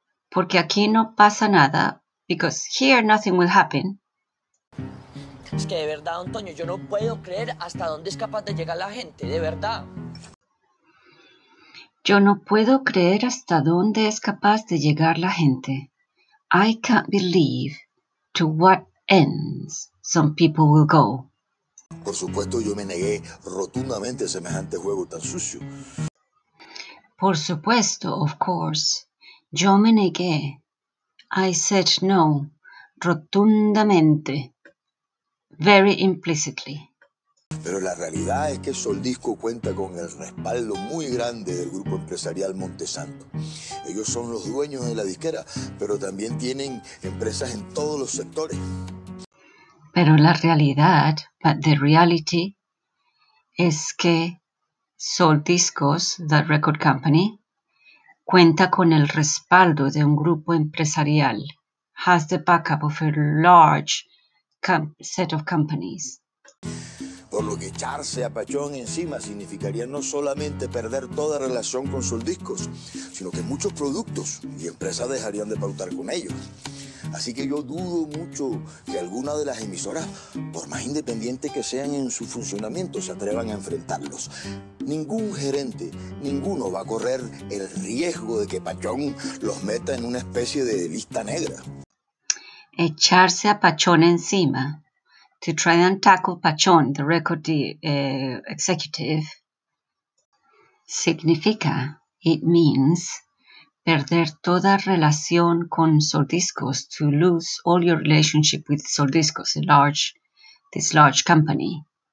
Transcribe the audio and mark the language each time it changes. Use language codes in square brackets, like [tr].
[es] Porque aquí no pasa nada. [en] Because here nothing will happen. [es] Es que de verdad, Antonio, yo no puedo creer hasta dónde es capaz de llegar la gente, de verdad. Yo no puedo creer hasta dónde es capaz de llegar la gente. [en] I can't believe to what ends some people will go. [es] Por supuesto, yo me negué rotundamente a semejante juego tan sucio. Por supuesto, [en] of course, [es] yo me negué. [en] I said no, rotundamente. Very implicitly. [es] Pero la realidad es que Soldisco cuenta con el respaldo muy grande del grupo empresarial Montesanto. Ellos son los dueños de la disquera, pero también tienen empresas en todos los sectores. Pero la realidad, [en] but the reality, [es] es que Soldiscos, [en] the record company, [es] Cuenta con el respaldo de un grupo empresarial. [en] Has the backup of a large set of companies. [es] Por lo que echarse a Pachón encima significaría no solamente perder toda relación con sus discos, sino que muchos productos y empresas dejarían de pautar con ellos. Así que yo dudo mucho que alguna de las emisoras, por más independientes que sean en su funcionamiento, se atrevan a enfrentarlos. Ningún gerente, ninguno va a correr el riesgo de que Pachón los meta en una especie de lista negra. Echarse a Pachón encima. [en] To try and tackle Pachón, the record executive, significa, it means, [es] perder toda relación con Soldiscos, [en] to lose all your relationship with Soldiscos, this large company.